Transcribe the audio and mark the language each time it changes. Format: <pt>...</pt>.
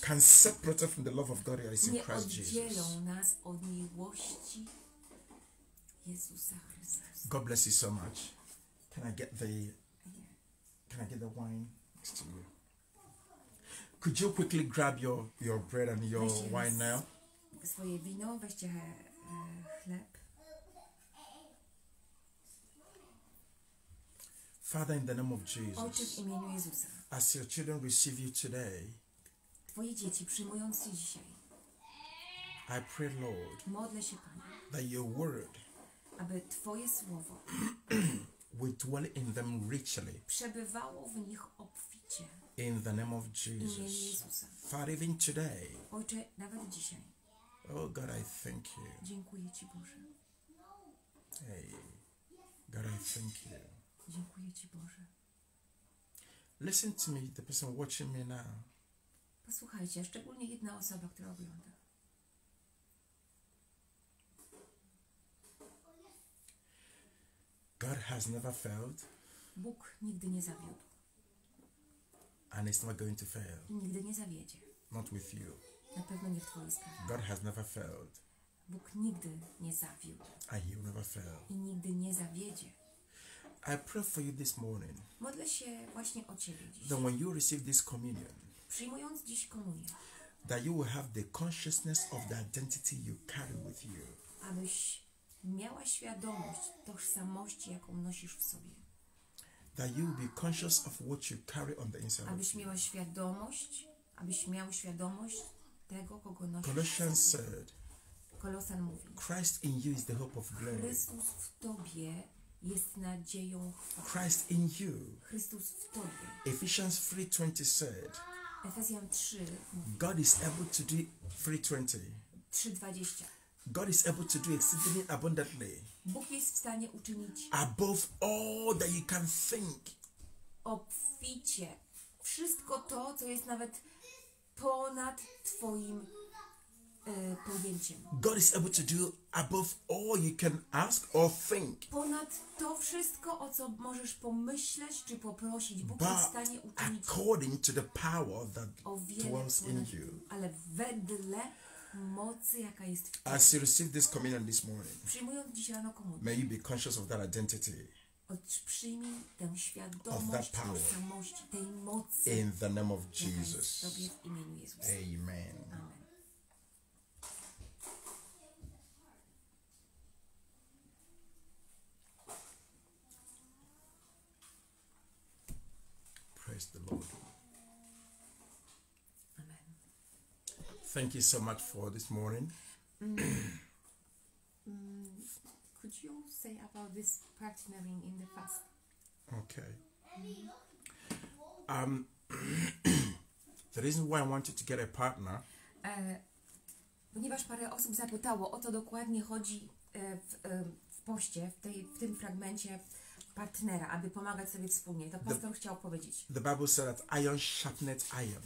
<en>Can separate us from the love of God that is in Christ Jesus.</en> <pl>Nie oddzielą nas od miłości Jezusa Chrystusa.</pl> <en>God bless you so much. Can I get the wine next to you? Could you quickly grab your bread and your wine now?</en> <pl>Swoje wino, weźcie chleb.</pl> <en>Father, in the name of Jesus.</en> <pl>Ojcze, w imieniu Jezusa.</pl> <en>As your children receive you today.</en> <pl>Twoje dzieci przyjmujące dzisiaj.</pl> <en>I pray, Lord.</en> <pl>Modlę się, Panie.</pl> <en>That your word.</en> <pl>Aby twoje słowo.</pl> <en>Will dwell in them richly.</en> <pl>Przebywało w nich obficie.</pl> <en>In the name of Jesus.</en> <pl>W imieniu Jezusa.</pl> <en>Father, even today.</en> <pl>Ojcze, nawet dzisiaj.</pl> <en>Oh God, I thank you.</en> <pl>Dziękuję ci, Boże.</pl> <en>Hey, God, I thank you.</en> <pl>Dziękuję ci, Boże.</pl> <en>Listen to me, the person watching me now.</en> <pl>Posłuchajcie, szczególnie jedna osoba, która ogląda.</pl> <en>God has never failed.</en> <pl>Bóg nigdy nie zawiódł.</pl> <en>And he's not going to fail.</en> <pl>I nigdy nie zawiedzie.</pl> <en>Not with you.</en> <pl>Na pewno nie w twojej sprawie.</pl> <en>God has never failed.</en> <pl>Bóg nigdy nie zawiódł.</pl> <en>And he'll never fail.</en> <pl>I nigdy nie zawiedzie.</pl> <en>I pray for you this morning.</en> <pl>Modlę się właśnie o ciebie dziś.</pl> <en>That when you receive this communion.</en> <pl>Przyjmując dziś komunię.</pl> <en>That you will have the consciousness of the identity you carry with you.</en> <pl>Abyś miała świadomość tożsamości, jaką nosisz w sobie.</pl> <en>That you will be conscious of what you carry on the inside.</en> <pl>Abyś miała świadomość, abyś miał świadomość tego, kogo nosisz.</pl> <en>Colossians said.</en> <pl>Kolosan mówi.</pl> <en>Christ in you is the hope of glory.</en> <pl>Chrystus w tobie jest nadzieją chwały.</pl> <en>Christ in you.</en> <pl>Chrystus w tobie.</pl> <en>Ephesians 3:20 said.</en> <pl>Efezjan 3 mówi.</pl> <en>God is able to do 3:20.</en> <pl>3:20.</pl> <en>God is able to do exceedingly abundantly.</en> <pl>Bóg jest w stanie uczynić</pl> <en>above all that you can think.</en> <pl>Obficie. Wszystko to, co jest nawet ponad twoim pojęciem. God is able to do above all you can ask or think. Ponad to wszystko, o co możesz pomyśleć czy poprosić, Bóg</pl> <en>but</en> <pl>jest w stanie uczynić.</pl> <en>According to the power that dwells in you.</en> <pl>Ale wedle mocy, jaka jest w tym.</pl> <en>As you receive this communion this morning,</en> <pl>przyjmując dziś rano komunię,</pl> <en>may you be conscious of that identity.</en> <pl>Przyjmij tę świadomość,</pl> <en>of that power,</en> <pl>tożsamości, tej mocy.</pl> <en>In the name of Jesus.</en> <pl>Jaka jest w imieniu Jezusa.</pl> <en>Amen. Amen. Praise the Lord. Thank you so much for this morning. Could you say about this partnering in the fast? Okay. The reason why I wanted to get a partner.</en> <pl>Ponieważ parę osób zapytało, o co dokładnie chodzi w poście, w tym fragmencie partnera, aby pomagać sobie wspólnie, to pastor chciał powiedzieć.</pl> <en>The Bible said that iron sharpens iron.</en>